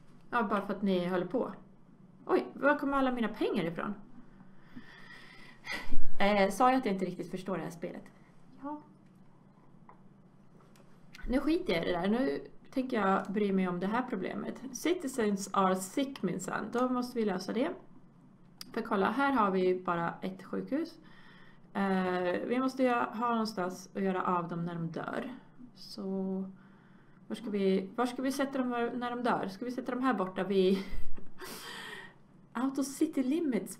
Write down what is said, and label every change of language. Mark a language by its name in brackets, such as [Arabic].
[Swedish] Ja, bara för att ni håller på. Oj, var kommer alla mina pengar ifrån? Sa jag att jag inte riktigt förstår det här spelet? Ja. Nu skiter jag i det där. Nu tänker jag bry mig om det här problemet. [English] Citizens are sick, minsann. [Swedish] Då måste vi lösa det. För kolla, här har vi bara ett sjukhus. Vi måste ha någonstans att göra av dem när de dör. Så var ska vi sätta dem när de dör? Ska vi sätta dem här borta vid Out of city limits?